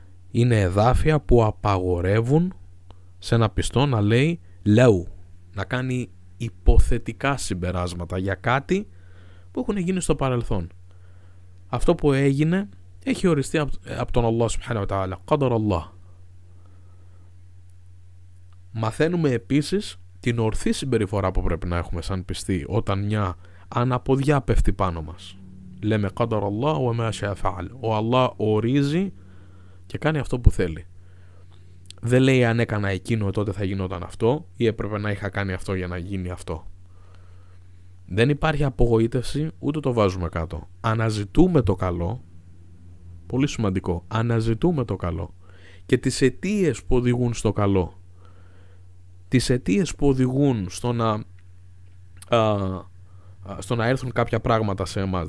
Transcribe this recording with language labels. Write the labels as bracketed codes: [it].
[el] Είναι εδάφια που απαγορεύουν σε ένα πιστό να λέει λέου, να κάνει υποθετικά συμπεράσματα για κάτι που έχουν γίνει στο παρελθόν. Αυτό που έγινε έχει οριστεί από τον Αλλάχ Σουμπχάνα Βατάλα, [ar] قدر الله. [el] Μαθαίνουμε επίσης την ορθή συμπεριφορά που πρέπει να έχουμε σαν πιστοί όταν μια αναποδιά πέφτει πάνω μας. Λέμε [ar] قدر الله وما شاء فعل. [el] Ο Αλλάχ ορίζει και κάνει αυτό που θέλει. Δεν λέει αν έκανα εκείνο τότε θα γινόταν αυτό ή έπρεπε να είχα κάνει αυτό για να γίνει αυτό. Δεν υπάρχει απογοήτευση, ούτε το βάζουμε κάτω. Αναζητούμε το καλό, πολύ σημαντικό, αναζητούμε το καλό και τις αιτίες που οδηγούν στο καλό, τις αιτίες που οδηγούν στο να έρθουν κάποια πράγματα σε εμάς.